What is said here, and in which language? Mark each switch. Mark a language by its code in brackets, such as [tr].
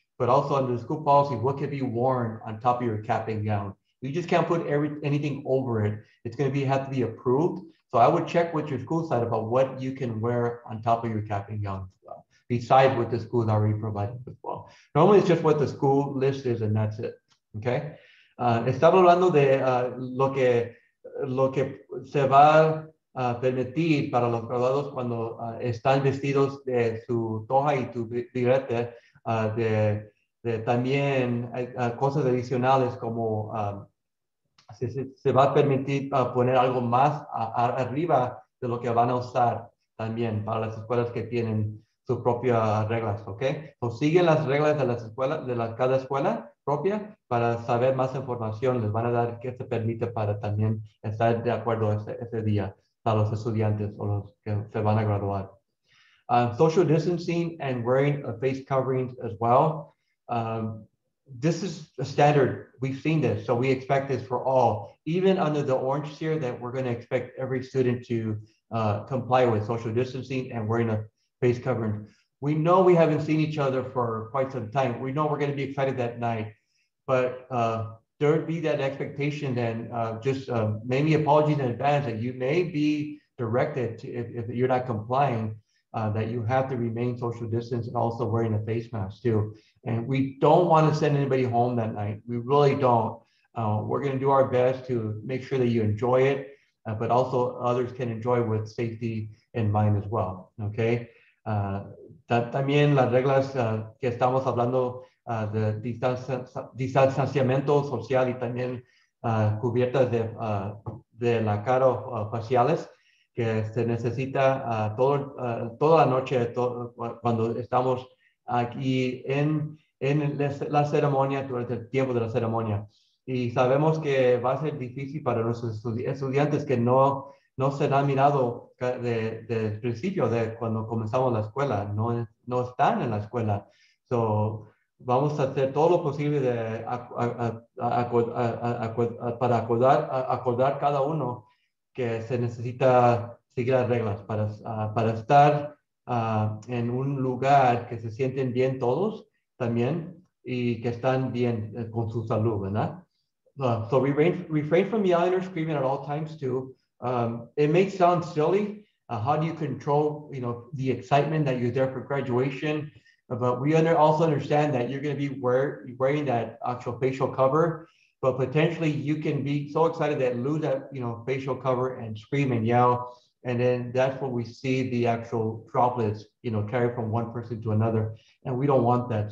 [en] but also under the school policy, what can be worn on top of your cap and gown. You just can't put anything over it. It's going to have to be approved. So I would check with your school side about what you can wear on top of your cap and gown as well, besides what the school is already providing as well. Normally, it's just what the school list is, and that's it, okay? [es] Estaba hablando de lo que se va permitir para los graduados cuando están vestidos de su toja y tu birrete, de también cosas adicionales como se va a permitir poner algo más arriba de lo que van a usar también para las escuelas que tienen sus propias reglas, ¿ok? O siguen las reglas de las escuelas, de cada escuela propia, para saber más información, les van a dar qué se permite para también estar de acuerdo ese día para los estudiantes o los que se van a graduar. [en] Social distancing and wearing a face coverings as well. This is a standard. We've seen this, so we expect this for all. Even under the orange tier, that we're going to expect every student to comply with social distancing and wearing a face covering. We know we haven't seen each other for quite some time. We know we're going to be excited that night, but there would be that expectation, and maybe apologies in advance that you may be directed to, if you're not complying, that you have to remain social distance and also wearing a face mask too. And we don't want to send anybody home that night. We really don't. We're going to do our best to make sure that you enjoy it, but also others can enjoy with safety in mind as well. Okay. [es] También las reglas que estamos hablando de distanciamiento social y también cubiertas de la cara faciales, que se necesita toda la noche cuando estamos aquí en la ceremonia, durante el tiempo de la ceremonia. Y sabemos que va a ser difícil para nuestros estudiantes que no será mirado de principio de cuando comenzamos la escuela, no están en la escuela. So, vamos a hacer todo lo posible para acordar cada uno que se necesita seguir las reglas para estar en un lugar que se sienten bien todos también y que están bien con su salud, ¿verdad? [en] So refrain from yelling or screaming at all times too. It may sound silly, how do you control, you know, the excitement that you're there for graduation, but we also understand that you're going to be wearing that actual facial cover, but potentially you can be so excited that lose that, you know, facial cover and scream and yell, and then that's what we see the actual droplets, you know, carry from one person to another, and we don't want that.